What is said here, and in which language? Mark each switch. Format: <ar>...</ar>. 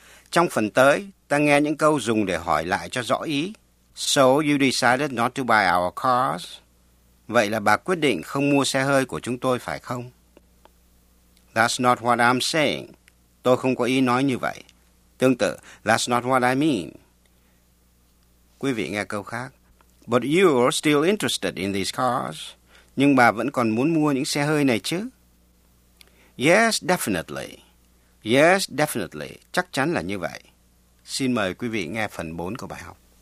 <vi>Trong phần tới, ta nghe những câu dùng để hỏi lại cho rõ ý.</vi> <en>So you decided not to buy our cars?</en> <vi>Vậy là bà quyết định không mua xe hơi của chúng tôi phải không?</vi> <en>That's not what I'm saying.</en> <vi>Tôi không có ý nói như vậy. Tương tự,</vi> <en>that's not what I mean.</en> <vi>Quý vị nghe câu khác.</vi> <en>But you're still interested in these cars.</en> <vi>Nhưng bà vẫn còn muốn mua những xe hơi này chứ?</vi> <en>Yes, definitely. Yes, definitely.</en> <vi>Chắc chắn là như vậy. Xin mời quý vị nghe phần 4 của bài học.</vi>